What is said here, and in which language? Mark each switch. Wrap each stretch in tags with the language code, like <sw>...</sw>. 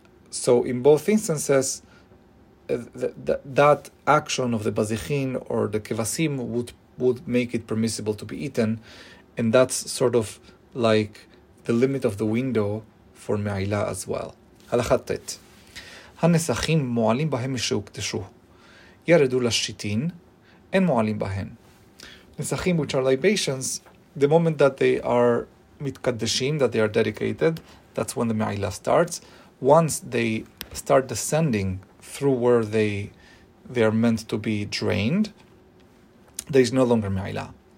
<en>So in both instances, that action of the bazechim or the kevasim would make it permissible to be eaten. And that's sort of like the limit of the window for me'ilah as well.</en> <he>הלכתת. הנסחים מועלים בהם משהוקדשו. ירדו לשיטין, אין מועלים בהם.</he> <en>נסחים, which are libations, the moment that they are מתקדשים, that they are dedicated, that's when the me'ilah starts. Once they start descending through where they are meant to be drained, there is no longer me'ilah.</en>